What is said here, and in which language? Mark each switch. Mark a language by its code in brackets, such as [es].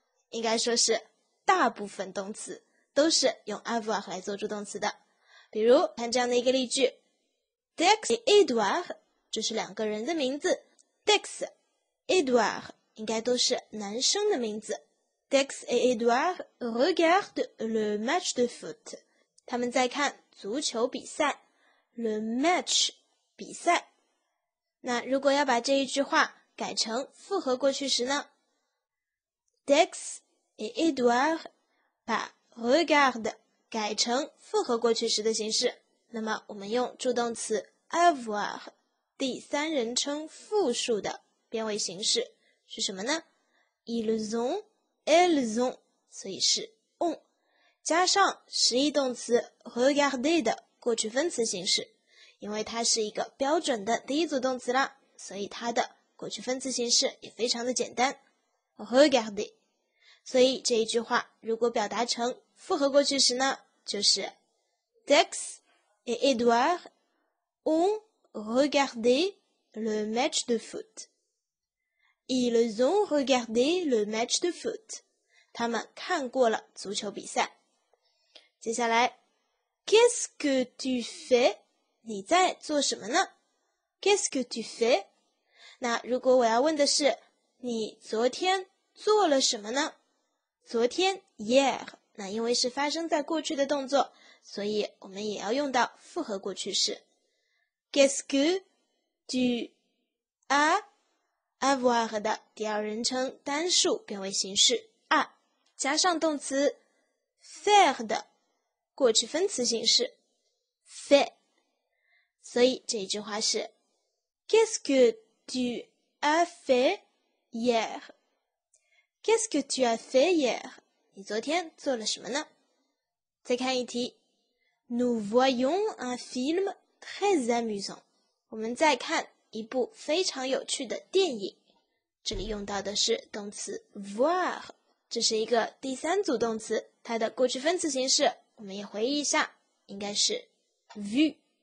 [zh] 应该说是大部分动词都是用 avoir 来做出动词的。比如看这样的一个例句， Dex et Edouard， 这是两个人的名字， Dex Edouard 应该都是男生的名字。 [fr] Dex et Edouard regardent le match de foot， [zh] 他们在看足球比赛， [fr] le match 比赛。 [zh] 那如果要把这一句话改成复合过去时呢？ Dex et Edouard 把 regard 改成复合过去时的形式，那么我们用助动词 avoir 第三人称复数的变位形式是什么呢？ [fr] ils ont elles ont， [zh] 所以是 on， 加上实义动词 regarder 的过去分词形式，因为它是一个标准的第一组动词啦，所以它的过去分词形式也非常的简单 regarder。所以这一句话如果表达成复合过去时呢，就是 [fr] Dex et Edouard ont regardé le match de foot。 Ils ont regardé le match de foot， [zh] 他们看过了足球比赛。接下来 [fr] Qu'est-ce que tu fais？ [zh] 你在做什么呢？ [fr] Qu'est-ce que tu fais？ [zh] 那如果我要问的是你昨天做了什么呢？昨天 hier， 那因为是发生在过去的动作，所以我们也要用到复合过去式。 [fr] Qu'est-ce que tu [zh] asavoir 的第二人称单数变为形式 a， 加上动词 faire 的过去分词形式 fait。所以这一句话是 [fr] Qu'est-ce que tu as fait hier？ Qu'est-ce que tu as fait hier？ [zh] 你昨天做了什么呢？再看一题， [fr] Nous voyons un film très amusant， [zh] 我们再看一部非常有趣的电影。这里用到的是动词 voir， 这是一个第三组动词，它的过去分词形式我们也回忆一下，应该是 vu。